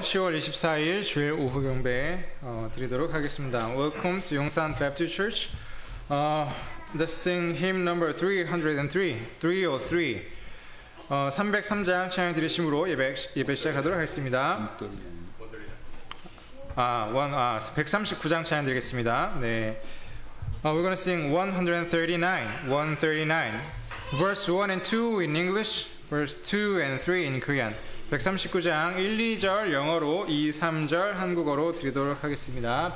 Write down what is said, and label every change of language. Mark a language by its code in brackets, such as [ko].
[ko] 10월 24일 주일 오후 경배 드리도록 하겠습니다. [en] Welcome to Yongsan Baptist Church. Let's sing hymn number 303. [ko] 303장 찬양 드리심으로 예배 시작하도록 하겠습니다. 139장 찬양 드리겠습니다. 네. [en] We're going to sing 139. Verse 1 and 2 in English, verse 2 and 3 in Korean. [ko] 139장 1, 2절 영어로, 2, 3절 한국어로 드리도록 하겠습니다.